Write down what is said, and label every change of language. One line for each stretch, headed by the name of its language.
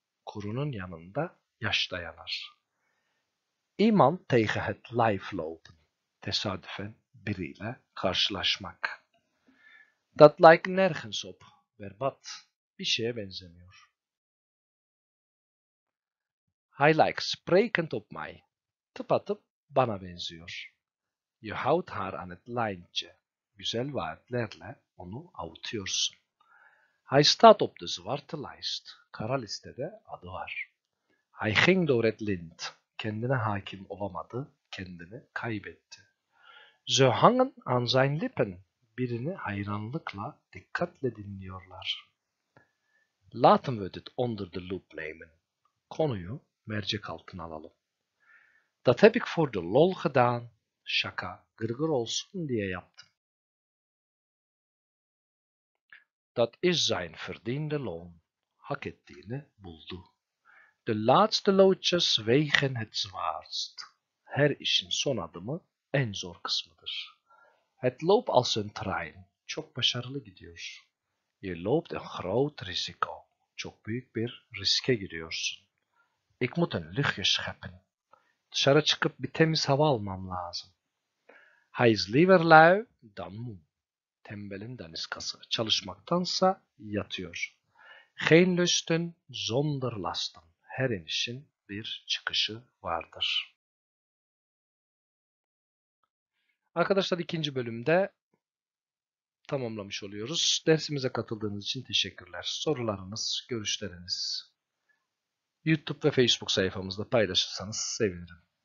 Turkish: Kurunun yanında yaş dayanar.
Dutch: İman tegen het lijf lopen.
Turkish: Tesadüfen biriyle karşılaşmak.
Dutch: Dat lijkt nergens op. Verbat.
Turkish: Bir şeye benzemiyor.
Dutch: Hij lijkt sprekend op mij.
Turkish: Tıpatıp bana benziyor.
Dutch: Je houdt haar aan het lijntje.
Turkish: Güzel vaatlerle onu avutuyorsun.
Dutch: Hij staat op de zwarte lijst.
Turkish: Kara listede adı var.
Dutch: Hij ging door het lint.
Turkish: Kendine hakim olamadı. Kendini kaybetti.
Dutch: Ze hangen aan zijn lippen.
Turkish: Birini hayranlıkla, dikkatle dinliyorlar.
Dutch: Laten we dit onder de loep nemen.
Turkish: Konuyu mercek altına alalım.
Dutch: Dat heb ik voor de lol gedaan.
Turkish: Şaka, gırgır olsun diye yaptım.
Dutch: Dat is zijn verdiende loon.
Turkish: Hak ettiğini buldu.
Dutch: De laatste loodjes wegen het zwaarst.
Turkish: Her işin son adımı en zor kısmıdır.
Dutch: Het loopt als een trein.
Turkish: Çok başarılı gidiyor.
Dutch: Je loopt een groot risico.
Turkish: Çok büyük bir riske giriyorsun.
Dutch: Ik moet een luchtje scheppen.
Turkish: Dışarı çıkıp bir temiz hava almam lazım.
Dutch: Hij is liever lui dan moe.
Turkish: Tembelin daniskası. Çalışmaktansa yatıyor.
Dutch: Geen lusten zonder lasten.
Turkish: Her inişin bir çıkışı vardır. Arkadaşlar ikinci bölümde tamamlamış oluyoruz. Dersimize katıldığınız için teşekkürler. Sorularınız, görüşleriniz YouTube ve Facebook sayfamızda paylaşırsanız sevinirim.